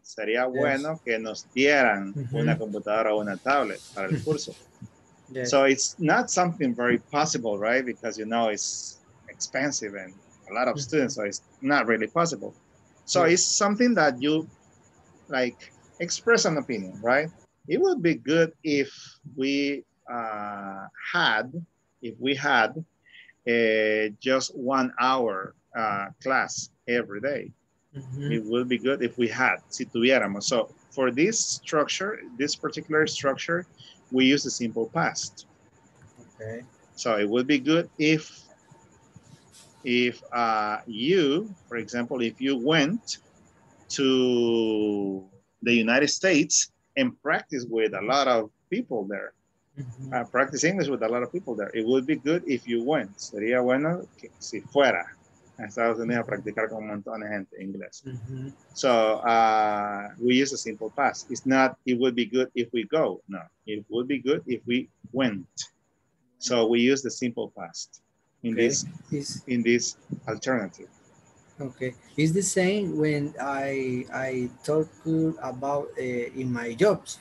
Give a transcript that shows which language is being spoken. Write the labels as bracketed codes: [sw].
[es] Sería bueno que nos dieran una computadora o una tablet para el curso. [en] So it's not something very possible, right? Because you know it's expensive and a lot of students, so it's not really possible. So it's something that you like express an opinion, right? It would be good if we had just 1 hour class every day. Mm-hmm. It would be good if we had, [es] si tuviéramos. [en] So for this structure, this particular structure, we use the simple past. Okay. So it would be good if you, for example, if you went to the United States and practice with a lot of people there, mm-hmm. Practice English with a lot of people there. It would be good if you went. [es] Sería bueno que si fuera a Estados Unidos a practicar con un montón de gente inglés. Mm-hmm. [en] So we use a simple past. It's not, it would be good if we go. No, it would be good if we went. So we use the simple past in this alternative. Okay, it's the same when I talk about in my jobs.